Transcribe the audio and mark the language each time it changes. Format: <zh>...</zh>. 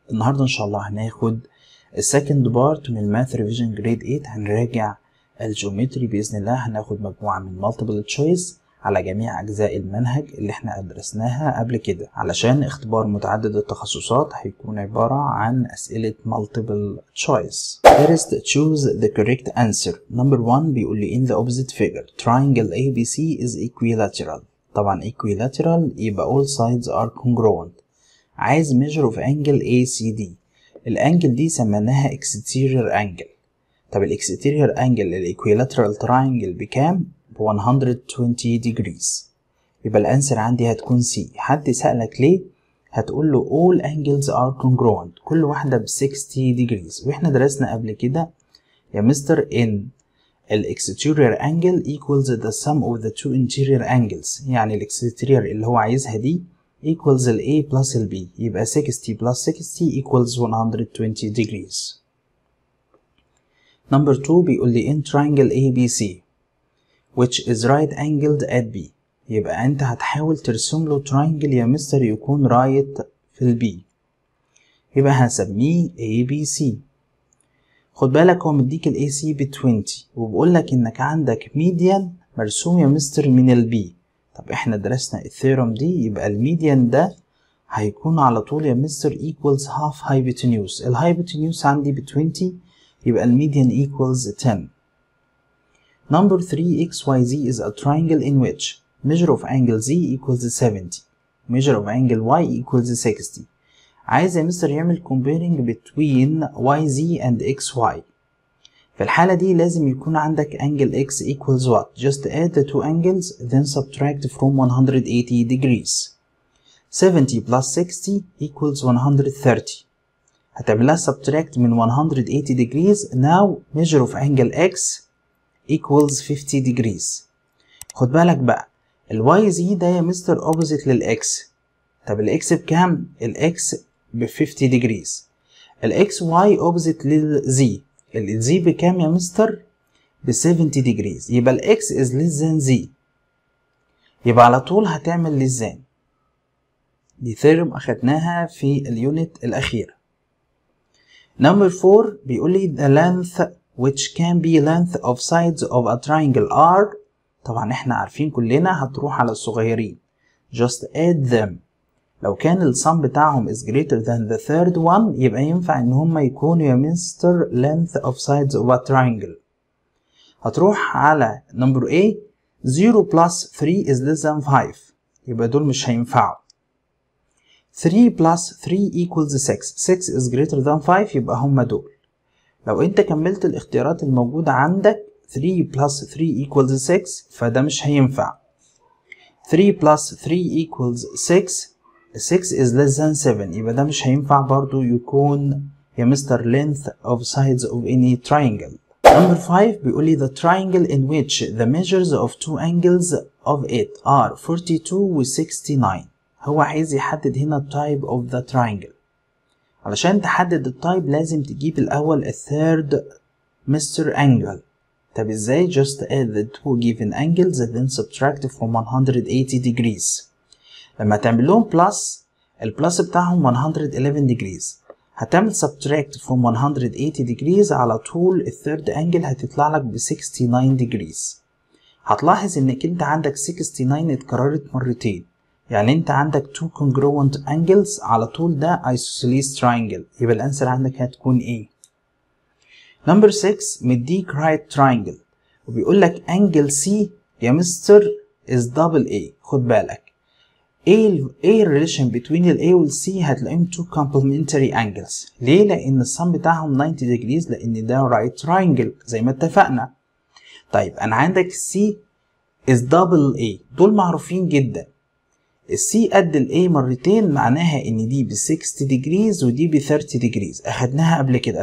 <ar>النهاردة ان شاء الله هناخد</ar> <en>second part</en> <ar>من</ar> <en>math revision grade 8.</en> <ar>هنراجع الجيومتري بإذن الله. هناخد مجموعة من multiple choice على جميع أجزاء المنهج اللي احنا درسناها قبل كده. علشان اختبار متعدد التخصصات هيكون عبارة عن أسئلة</ar> <en>multiple choice. First, choose the correct answer. Number one,</en> <ar>بيقول لي</ar> <en>in the opposite figure, triangle ABC is equilateral.</en> <ar>طبعا</ar> <en>equilateral يبقى all sides are congruent.</en> <ar>عايز</ar> <en>measure of angle ACD.</en> <ar>الانجل دي سميناها</ar> <en>exterior angle. طب الexterior angle الequilateral triangle بكام؟ 120 degrees.</en> <ar>يبقى الانسر عندي هتكون C. حد سألك ليه؟ هتقول له</ar> <en>all angles are congruent,</en> <ar>كل واحدة ب 60 degrees. واحنا درسنا قبل كده يا مستر ان الاكستيرير انجل</ar> <en>equals the sum of the two interior angles.</en> <ar>يعني الاكستيرير اللي هو عايزها دي equals ال A plus ال B.</ar> <en>يبقى 60 plus 60 equals 120 degrees. Number 2 بيقول لي in triangle ABC which is right angled at B.</en> <ar>يبقى انت هتحاول ترسم له تراينجل يا مستر يكون رايت في البي. يبقى هنسميه ABC. خد بالك هو مديك الاي سي ب 20 وبقول لك انك عندك ميديان مرسوم يا مستر من البي. طب احنا درسنا الثيرم دي, يبقى الميديان ده هيكون على طول يا مستر equals half hypotenuse. الhypotenuse عندي ب 20, يبقى الميديان equals 10.</ar> <en>Number 3, XYZ is a triangle in which measure of angle Z equals 70, measure of angle Y equals 60.</en> <ar>عايز يا مستر يعمل</ar> <en>comparing between YZ and XY.</en> <ar>في الحالة دي لازم يكون عندك</ar> <en>angle X equals what? Just add the two angles then subtract from 180 degrees. 70 plus 60 equals 130.</en> <ar>هتعملها</ar> <en>subtract من 180 degrees. Now measure of angle X equals 50 degrees.</en> <ar>خد بالك بقى الواي زي ده يا مستر opposite للاكس. طب الاكس بكام؟ الاكس ب 50 degrees. الاكس واي opposite للزي, الزي بكام يا مستر؟ ب 70 degrees. يبقى الاكس</ar> <en>is less than z.</en> <ar>يبقى على طول هتعمل less than. دي ثيرم اخدناها في اليونت الاخير.</ar> <en>Number 4 بيقول لي the length which can be length of sides of a triangle R.</en> <ar>طبعا احنا عارفين كلنا هتروح على الصغيرين. Just add them. لو كان السم بتاعهم</ar> <en>is greater than the third one</en> <ar>يبقى ينفع ان هما يكونوا يا مستر</ar> <en>length of sides of a triangle. هتروح على number A, 0 plus 3 is less than 5.</en> <ar>يبقى دول مش هينفعوا.</ar> <en>3 plus 3 equals 6. 6 is greater than 5, يبقى هما دول.</en> <ar>لو انت كملت الاختيارات الموجودة عندك 3 plus 3 equals 6 فده مش هينفع.</ar> <en>3 plus 3 equals 6, 6 is less than 7,</en> <ar>يبقى ده مش هينفع برضو يكون يا مستر</ar> <en>length of sides of any triangle. Number 5 بيقولي the triangle in which the measures of two angles of it are 42 و69.</en> <ar>هو عايز يحدد هنا</ar> <en>type of the triangle.</en> <ar>علشان تحدد التايب لازم تجيب الاول الثيرد مستر انجل. طب ازاي؟</ar> <en>just add the two given angles then subtract from 180 degrees.</en> <ar>لما تعمل لهم بلس, البلس بتاعهم 111 degrees, هتعمل</ar> <en>subtract from 180 degrees,</en> <ar>على طول الثيرد انجل هتطلع لك ب 69 degrees. هتلاحظ انك انت عندك 69 اتكررت مرتين, يعني انت عندك</ar> <en>two congruent angles</en> <ar>على طول, ده</ar> <en>isosceles triangle.</en> <ar>يبقى الانسر عندك هتكون A.</ar> <en>Number 6 مديك right triangle</en> <ar>وبيقول لك</ar> <en>angle C يا mister is double A.</en> <ar>خد بالك A relation between A وال C هتلاقيهم</ar> <en>two complementary angles.</en> <ar>ليه؟ لان السم بتاعهم 90 degrees, لان ده right triangle زي ما اتفقنا. طيب انا عندك</ar> <en>C is double A,</en> <ar>دول معروفين جدا. السي قد الـ A مرتين معناها ان دي ب 60 degrees ودي ب 30 degrees, اخدناها قبل كده.</ar>